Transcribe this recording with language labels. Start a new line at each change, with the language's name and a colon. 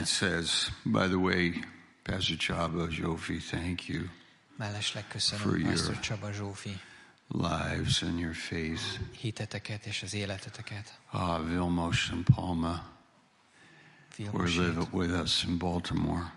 English: It says, by the way, Pastor Csaba Zsófi, thank you for your Csaba Zsófi lives and your faith.
Hungarian: Hiteteket és az életeteket.
English: Vilmos and Palma were living with us in Baltimore.